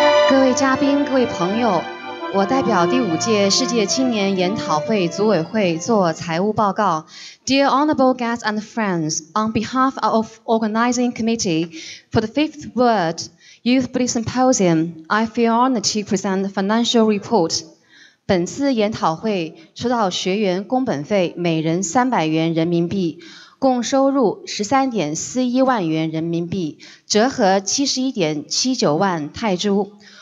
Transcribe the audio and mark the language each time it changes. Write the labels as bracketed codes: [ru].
[zh] Dear 嘉宾，各位朋友，我代表第五届世界青年研讨会组委会做财务报告。 [en] Dear honorable guests and friends, on behalf of organizing committee for the fifth word. Youth Buddhist Symposium, I feel honored to present the financial report. [zh] 本次研讨会收到学员工本费每人300元人民币，共收入13.41万元人民币，折合71.79万泰铢。